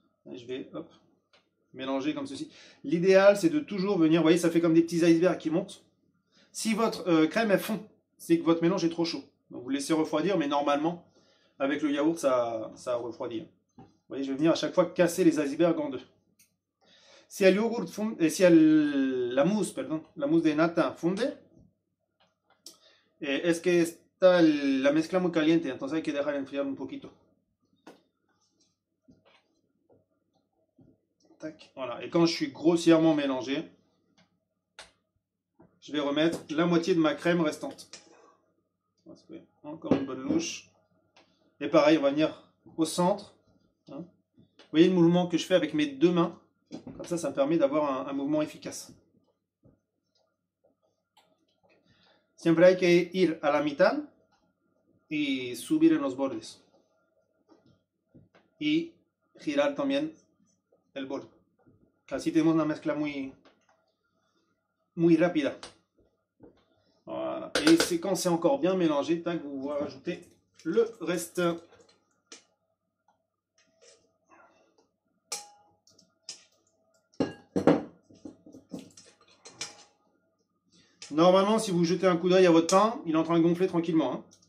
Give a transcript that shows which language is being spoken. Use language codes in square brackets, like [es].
[fr] Je vais hop, mélanger comme ceci. L'idéal, c'est de toujours venir, vous voyez, ça fait comme des petits icebergs qui montent. Si votre crème est fond, c'est que votre mélange est trop chaud. Donc vous laissez refroidir, mais normalement, avec le yaourt, ça refroidit. Vous voyez, je vais venir à chaque fois casser les icebergs en deux. [es] Si el yogurt funde, si el, la mousse, perdón, la mousse de nata funde, es que está la mezcla muy caliente, entonces hay que dejar enfriar un poquito. [fr] Tac, voilà. Et quand je suis grossièrement mélangé, je vais remettre la moitié de ma crème restante. Encore une bonne louche. Et pareil, on va venir au centre. Hein. Vous voyez le mouvement que je fais avec mes deux mains? Comme ça me permet d'avoir un mouvement efficace. [es] Siempre hay que ir a la mitad y subir en los bordes. Y girar también el borde. Así tenemos una mezcla muy, muy rápida. [fr] Voilà. Et c'est quand c'est encore bien mélangé, tac, vous pouvez ajouter le reste. Normalement, si vous jetez un coup d'œil à votre pain, il est en train de gonfler tranquillement.